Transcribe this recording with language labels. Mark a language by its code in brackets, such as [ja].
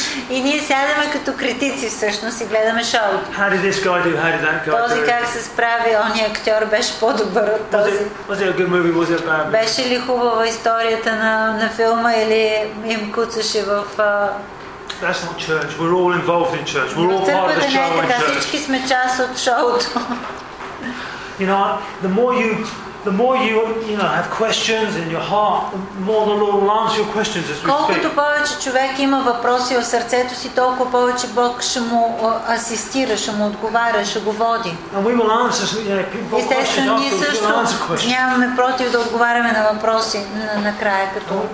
[bg] И ние сядаме като критици всъщност и гледаме шоуто. [en] How did this guy do? How did that guy do? [bg] Този как се справи, ония актьор беше по-добър от този. [en] Was it a good movie? Was it a bad movie? [bg] Беше ли хубава историята на филма или им куцаше в... [en] That's not church. We're all involved in church. We're all part of the show in church. [bg] Всички сме част от шоуто. [en] You know, the more you have questions in your heart, the more the Lord will answer your questions as we speak. [bg] Колкото повече човек има въпроси в сърцето си, толкова повече Бог ще му асистира, ще му отговаря, ще го води. [en] And we will answer, [bg] естествено, ние също нямаме против да отговаряме на въпроси накрая, като...